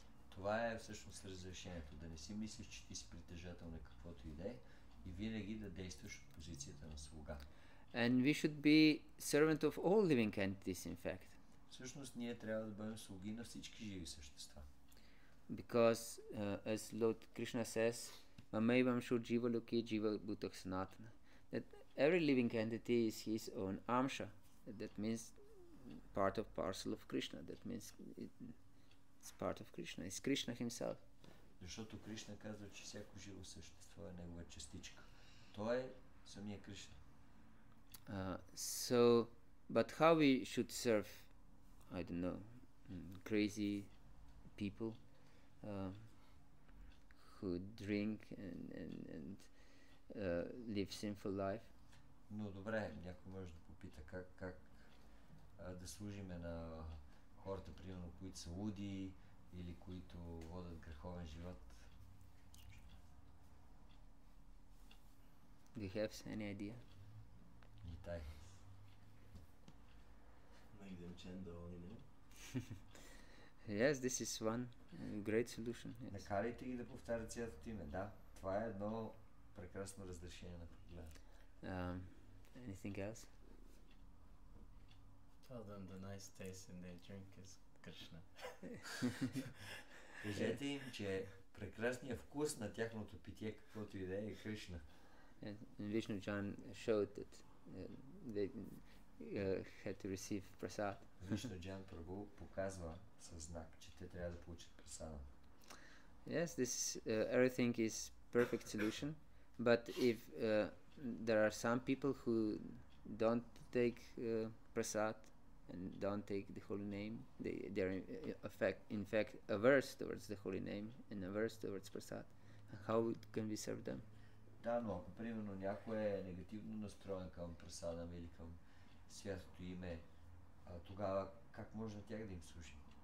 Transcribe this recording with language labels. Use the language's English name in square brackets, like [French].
[Bulgarian] Това е всъщност разрешението, да не си мислиш, че ти си притежател на каквото иде и винаги да действаш от позицията на слуга. [English] And we should be servant of all living entities, in fact. [Bulgarian] Всъщност ние трябва да бъдем слуги на всички живи същества. [English] Because as Lord Krishna says, [Sanskrit] mameivam śu jiva loki jiva bhutah sanatana, [English] that every living entity is his own amsha. That means part of parcel of Krishna. That means it's part of Krishna. It's Krishna himself. [Bulgarian] Защото Кришна казва, че всяко живо същество е негова частичка. Той е самия Кришна. [English] So, but how we should serve, I don't know, crazy people who drink and live sinful life? [Bulgarian] Но добре, някой може да попита как да служиме на хората, примерно, които са луди или които водят греховен живот. [English] Do you have any idea? [Bulgarian] Не тай. [English] Make them Yes, this is one great solution. Yes. [Bulgarian] Накарайте ги да повтарят цялото име. Да, това е едно прекрасно разрешение на проблема. [English] Anything else? Tell them the nice taste in their drink is Krishna. [Bulgarian] Кажете им, че прекрасният вкус на тяхното питие, каквото и да е, Кришна. [English] And Vishnu Chan showed that they had to receive prasad. [Bulgarian] Vishnu Chan Prabhu показва със знак, че те трябва да получат прасада. [English] Yes, this everything is perfect solution, but if there are some people who don't take prasad and don't take the holy name, they are in fact averse towards the holy name and averse towards prasad. How can we serve them? [Bulgarian] Да, но ако примерно някой е негативно настроен към прасада или към святото име, тогава как може на тях да им служим?